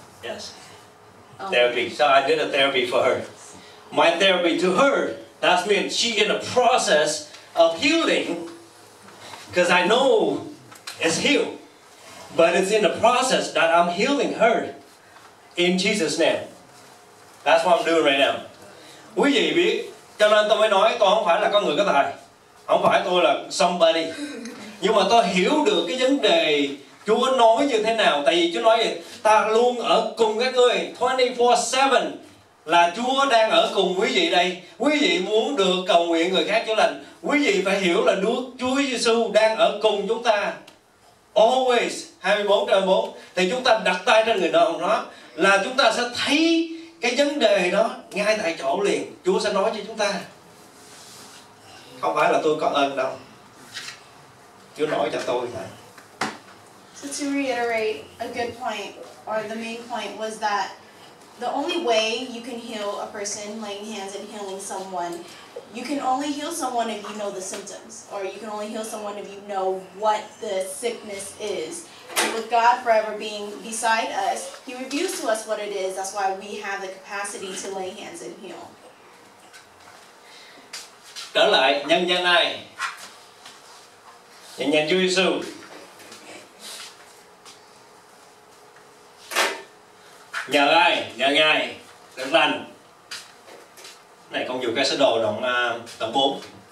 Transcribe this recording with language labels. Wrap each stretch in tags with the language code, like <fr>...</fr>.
<en>Yes. Oh. Therapy. So I did a therapy for her. My therapy to her, that means she in a process of healing, because I know it's healed, but it's in the process that I'm healing her in Jesus' name. That's what I'm doing right now.</en> <vi>Quý vị biết, cho nên tôi mới nói tôi không phải là con người có tài, không phải tôi là somebody. Nhưng mà tôi hiểu được cái vấn đề Chúa nói như thế nào. Tại vì Chúa nói vậy, ta luôn ở cùng các ngươi 24/7. Là Chúa đang ở cùng quý vị đây. Quý vị muốn được cầu nguyện người khác chữa lành, quý vị phải hiểu là Chúa Giêsu đang ở cùng chúng ta.</vi> <en>Always</en> <vi>24/7. Thì chúng ta đặt tay trên người đồng đó là chúng ta sẽ thấy cái vấn đề đó ngay tại chỗ liền. Chúa sẽ nói cho chúng ta. Không phải là tôi có ơn đâu. Chúa nói cho tôi này.</vi> <en>So to reiterate, a good point, or the main point, was that the only way you can heal a person, laying hands and healing someone, you can only heal someone if you know the symptoms, or you can only heal someone if you know what the sickness is. And with God forever being beside us, He reveals to us what it is. That's why we have the capacity to lay hands and heal.</en> <vi>Trở lại nhân dân này, nhân dân Chúa Giêsu. Nhờ ai? Nhờ Ngài được lành. Này con dùng cái sơ đồ đoạn tập 4.</vi>